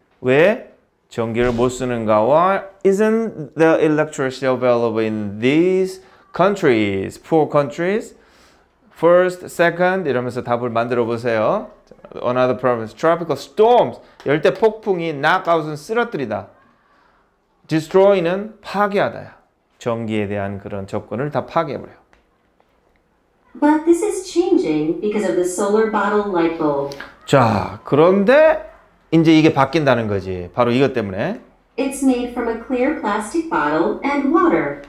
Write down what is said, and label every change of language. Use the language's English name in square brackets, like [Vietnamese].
[Korean] 왜 전기를 못 쓰는가와 [English] Isn't the electricity available in these countries? Poor countries? First, second, [Korean] 이러면서 답을 만들어 보세요. [English] Another problem is tropical storms. [Korean] 열대 폭풍이 knock out은 쓰러뜨리다. Destroy는 파괴하다야. 전기에 대한 그런 조건을 다 파괴해버려. [English] But this is changing because of the solar bottle light bulb. [Korean] 자, 그런데 이제 이게 바뀐다는 거지. 바로 이것 때문에. [English] It's made from a clear plastic bottle and water.